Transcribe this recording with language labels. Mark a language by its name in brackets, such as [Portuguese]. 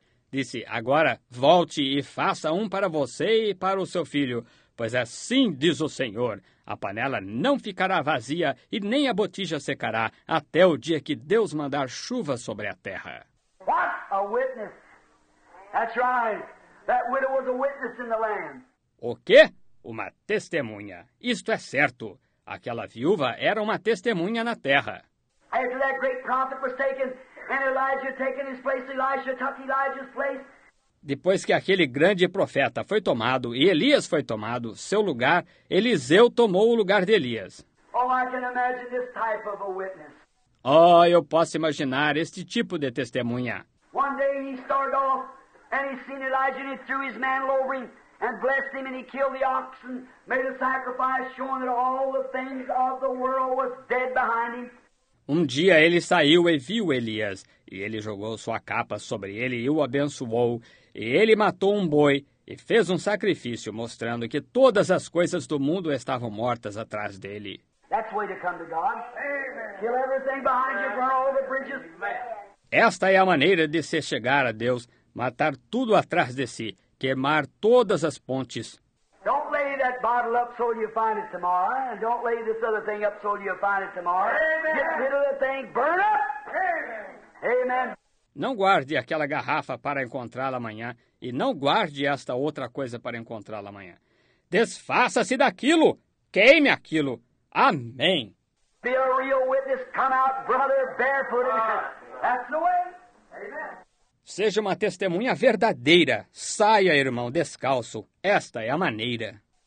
[Portuguese] Disse, agora volte e faça um para você e para o seu filho. Pois assim diz o Senhor, a panela não ficará vazia e nem a botija secará até o dia que Deus mandar chuva sobre a terra. [English] What a witness! That's right. That widow was a witness in the land. [Portuguese] O quê? Uma testemunha. Isto é certo. Aquela viúva era uma testemunha na terra. [English] After that great prophet was taken, and Elijah taken his place, Elijah took Elijah's place. [Portuguese] Depois que aquele grande profeta foi tomado e Elias foi tomado, seu lugar, Eliseu tomou o lugar de Elias. [English] Oh, I can imagine this type of a witness. [Portuguese] Oh, eu posso imaginar este tipo de testemunha. [English] One day he started off and he seen Elijah and he threw his mantle over him and blessed him and he killed the oxen, made a sacrifice showing that all the things of the world was dead behind him. [Portuguese] Um dia ele saiu e viu Elias, e ele jogou sua capa sobre ele e o abençoou. E ele matou um boi e fez um sacrifício, mostrando que todas as coisas do mundo estavam mortas atrás dele. [English] That's way to come to God. Kill everything behind you, burn all the bridges. [Portuguese] Esta é a maneira de se chegar a Deus, matar tudo atrás de si, queimar todas as pontes. [English] Don't lay that bottle up so you find it tomorrow, and don't lay this other thing up so you find it tomorrow. Amen. Get rid of the thing, burn up. Amen. Amen. [Portuguese] Não guarde aquela garrafa para encontrá-la amanhã, e não guarde esta outra coisa para encontrá-la amanhã. Desfaça-se daquilo, queime aquilo. Amém. [English] Be a real witness, come out, brother, barefooted. That's the way. Amen. [Portuguese] Seja uma testemunha verdadeira. Saia, irmão, descalço. Esta é a maneira.